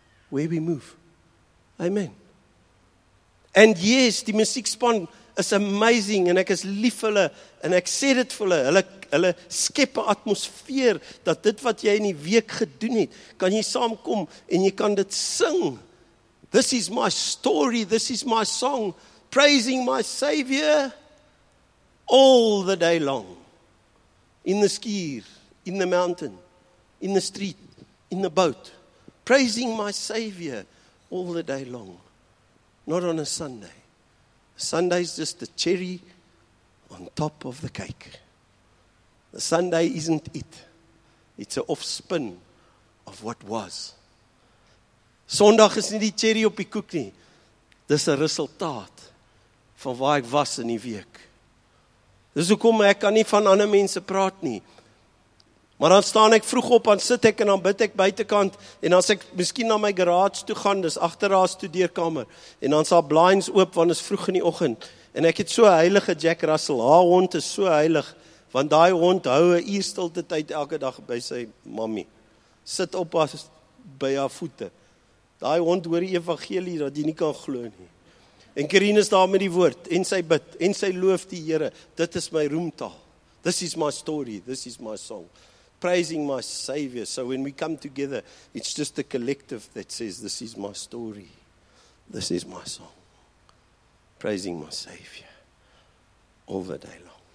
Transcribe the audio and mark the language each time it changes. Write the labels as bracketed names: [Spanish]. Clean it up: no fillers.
[English] Where we move. Amen. And yes, [Afrikaans] die musiekspan is amazing en ek is lief vir hulle en ek sê dit vir hulle, hulle skep 'n atmosfeer dat dit wat jy in die week gedoen het, kan jy saamkom en jy kan dit sing. [English] This is my story, this is my song, praising my Savior all the day long. In the skier, in the mountain, in the street, in the boat, praising my Savior all the day long. Not on a Sunday. Sunday is just the cherry on top of the cake. The Sunday isn't it. It's an offspin of what was. [Afrikaans] Sondag is nie die cherry op die koek nie. Dis 'n resultaat van waar ek was in die week. Dis hoekom ek kan nie van ander mense praat nie. Maar dan staan ek vroeg op, dan sit ek en dan bid ek buitenkant. En as ek miskien na my garage toe gaan, dis agter haar studeerkamer. En dan sal blinds oop, want is vroeg in die oggend. En ek het so heilige Jack Russell. Haar hond is so heilig, want die hond hou 'n uur stilte tyd elke dag by sy mamie. Sit op haar, by haar voete. Die hond hoor die evangelie, dat jy nie kan glo nie. En Karine is daar met die woord, en sy bid, en sy loof die Here. Dit is my roemtaal. [English] This is my story, this is my song. Praising my Savior. So when we come together, it's just a collective that says, this is my story. This is my song. Praising my Savior all the day long.